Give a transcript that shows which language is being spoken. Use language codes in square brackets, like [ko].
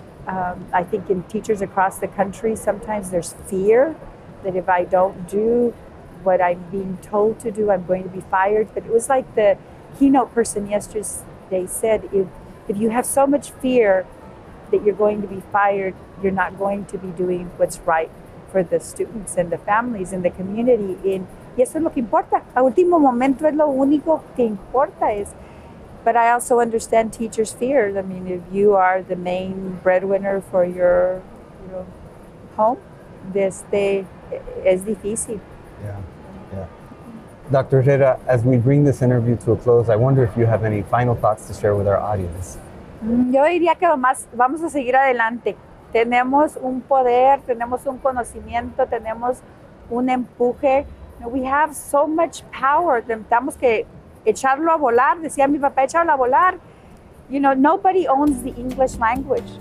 [en] I think in teachers across the country, sometimes there's fear that if I don't do what I'm being told to do, I'm going to be fired. But it was like the keynote person yesterday said, if you have so much fear that you're going to be fired, you're not going to be doing what's right for the students and the families and the community. And yes, [es] eso es lo que importa. A último momento es lo único que importa es. [en] But I also understand teachers' fear. I mean, if you are the main breadwinner for your, you know, home, this day is difícil. Yeah. Dr. Herrera, as we bring this interview to a close, I wonder if you have any final thoughts to share with our audience. [es] Yo diría que más vamos a seguir adelante. Tenemos un poder, tenemos un conocimiento, tenemos un empuje. [en] We have so much power. [es] Tenemos que echarlo a volar. Decía mi papá, echarlo a volar. [en] You know, nobody owns the English language.